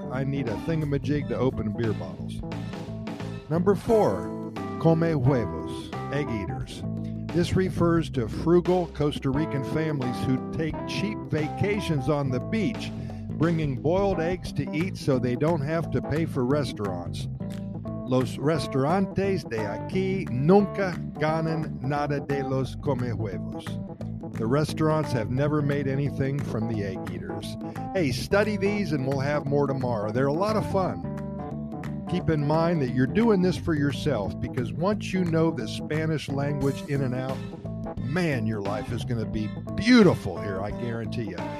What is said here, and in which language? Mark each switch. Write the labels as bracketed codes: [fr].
[en] I need a thingamajig to open beer bottles. Number four, come huevos, egg eaters. This refers to frugal Costa Rican families who take cheap vacations on the beach, bringing boiled eggs to eat so they don't have to pay for restaurants. [es] Los restaurantes de aquí nunca ganan nada de los come huevos. [en] The restaurants have never made anything from the egg eaters. Hey, study these and we'll have more tomorrow. They're a lot of fun. Keep in mind that you're doing this for yourself, because once you know the Spanish language in and out, man, your life is going to be beautiful here, I guarantee you.